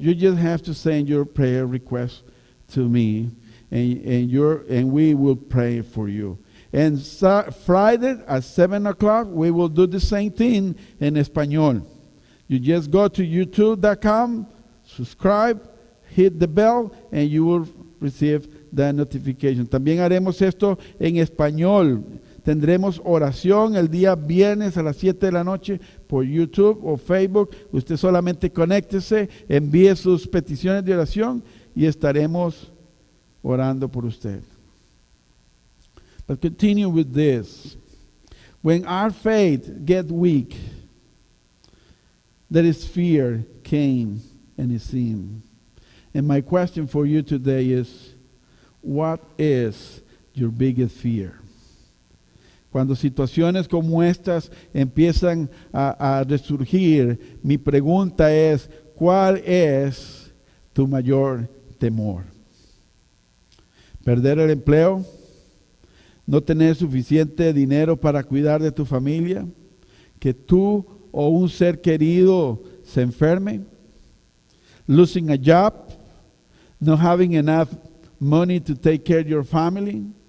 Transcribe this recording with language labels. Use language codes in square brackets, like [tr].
[en] You just have to send your prayer request to me, and we will pray for you. And Friday at 7 o'clock, we will do the same thing in Espanol. You just go to youtube.com, subscribe, hit the bell, and you will receive the notification. [es] También haremos esto en Espanol. Tendremos oración el día viernes a las 7 de la noche por YouTube o Facebook. Usted solamente conéctese, envíe sus peticiones de oración, y estaremos orando por usted. [en] But continue with this. When our faith gets weak, there is fear came and is seen. And my question for you today is, what is your biggest fear? [es] Cuando situaciones como estas empiezan a resurgir, mi pregunta es, ¿cuál es tu mayor temor? ¿Perder el empleo? ¿No tener suficiente dinero para cuidar de tu familia? ¿Que tú o un ser querido se enferme? [en] ¿Losing a job? ¿No having enough money to take care of your family?